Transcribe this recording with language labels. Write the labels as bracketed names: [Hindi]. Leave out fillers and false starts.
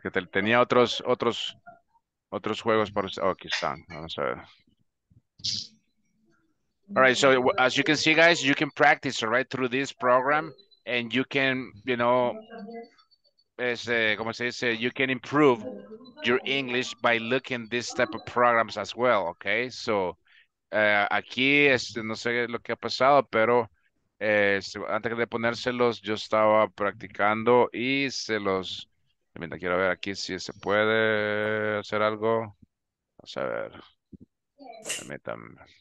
[Spanish] Que tenía otros juegos para usted. Oh, aquí están. Vamos a ver. [English] All right, so as you can see, guys, you can practice, right, through this program, and you can, you know, [Spanish] como se dice, [English] you can improve your English by looking at this type of programs as well, okay? [Spanish] So, aquí, no sé lo que ha pasado, pero antes de ponérselos, yo estaba practicando y se los... Mira, quiero ver aquí si se puede hacer algo. Vamos a ver. Permítanme.